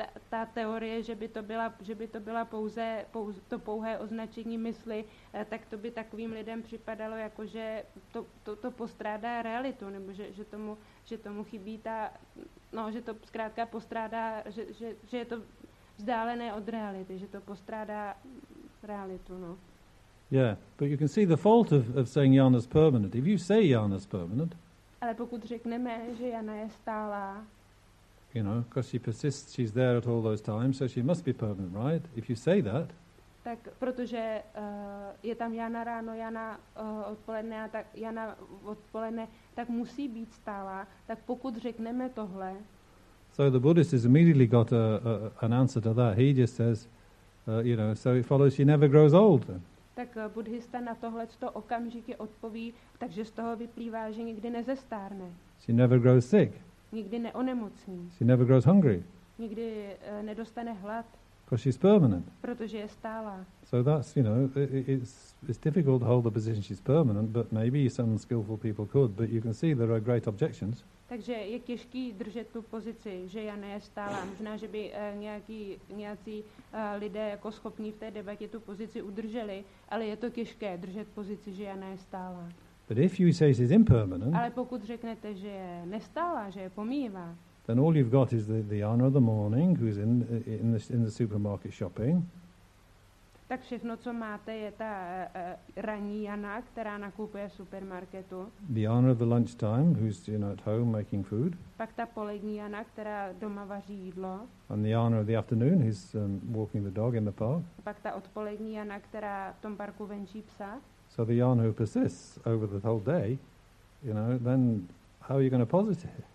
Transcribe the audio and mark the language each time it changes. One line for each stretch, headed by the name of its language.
Czech: ta teorie, že by to byla pouze to pouhé označení mysli, tak to by takovým lidem připadalo, jako že to postrádá realitu, nebo že tomu chybí ta, no, že to zkrátka postrádá, že je to vzdálené od reality, že to postrádá realitu, no.
English: Yeah, but you can see the fault of saying Jana's permanent. If you say Jana's permanent,
Czech: ale pokud řekneme, že Jana je stálá,
English: you know, because she persists, she's there at all those times, so she must be permanent, right? If you say that,
Czech: tak protože je tam Jana ráno, Jana odpoledne a tak Jana odpoledne, tak musí být stálá. Tak pokud řekneme tohle,
English: so the Buddhist has immediately got an answer to that. He just says, so it follows she never grows old.
Czech: Tak buddhista na tohle to okamžitě odpoví, takže z toho vyplývá, že nikdy nezestárne.
English: She never grows sick.
Czech: Nikdy neonemocní.
English: She never grows hungry.
Czech: Nikdy nedostane hlad.
English: Because she's permanent.
Czech: Protože je stálá.
English: So that's, you know, it's difficult to hold the position she's permanent, but maybe some skillful people could, but you can see there are great objections.
Czech: Takže je těžký držet tu pozici, že Jana je stála. Možná, že by nějací lidé jako schopní v té debatě tu pozici udrželi, ale je to těžké držet pozici, že Jana je stála.
English: But if you say she's impermanent,
Czech: ale pokud řeknete, že je nestála, že je pomíjivá,
English: then all you've got is the Jana of the morning who's in the supermarket shopping.
Czech: Tak všechno, co máte, je ta ranní Jana, která nakupuje v supermarketu.
English: The Jana of the lunchtime, who's at home making food.
Czech: Pak ta polední Jana, která doma vaří jídlo.
English: And the Jana of the afternoon, who's walking the dog in the park.
Czech: Pak ta odpolední Jana, která v tom parku venčí psa.
English: So the Jana who persists over the whole day, then how are you going to posit it?